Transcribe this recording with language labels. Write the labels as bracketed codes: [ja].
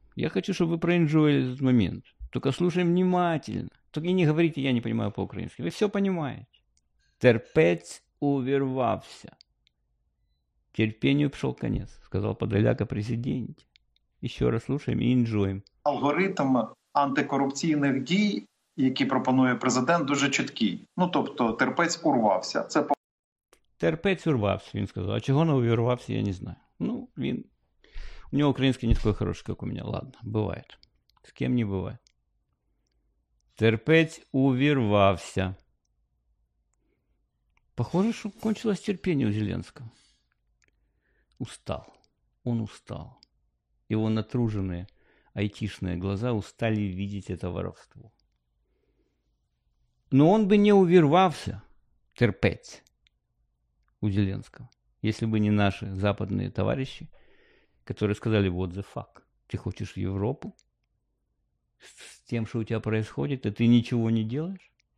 [ru] Я хочу, чтобы вы проинжуили этот момент, только слушаем внимательно, только и не говорите, я не понимаю по-украински, вы все понимаете. [uk] Терпець увірвався, [ru] терпению пришел конец, сказал Подоляк о президенте. Еще раз слушаем и инжуем. [uk] Алгоритм антикорупційних дій, які пропонує президент, дуже чіткий. Ну, тобто, терпець урвався. Це по... Терпець урвався, він сказав. А чого не увірвався, я не знаю. Ну, він... У нього український не такий хороший, як у мене. [ru] Ладно, [uk] буває. З ким не буває. Терпець увірвався. [ru] Похоже, що кончилось [uk] терпіння [ru] у Зеленського. Устал. Он устал. Его натруженные айтишные глаза устали видеть это воровство. Но он бы не увервался терпеть у Зеленского, если бы не наши западные товарищи, которые сказали, [en] what the fuck, [ru] ты хочешь в Европу с тем, что у тебя происходит, и ты ничего не делаешь?